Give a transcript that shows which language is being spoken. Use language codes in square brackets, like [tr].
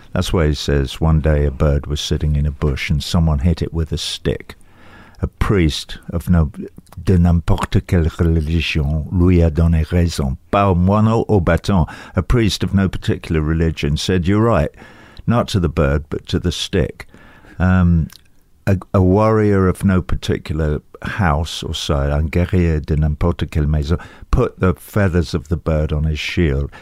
[en] That's why he says, one day a bird was sitting in a bush and someone hit it with a stick. A priest of no... [fr] de n'importe quelle religion lui a donné raison. Pas moineau au bâton. [en] A priest of no particular religion said, you're right, not to the bird, but to the stick. A warrior of no particular house or side, [fr] un guerrier de n'importe quelle maison, [en] put the feathers of the bird on his shield.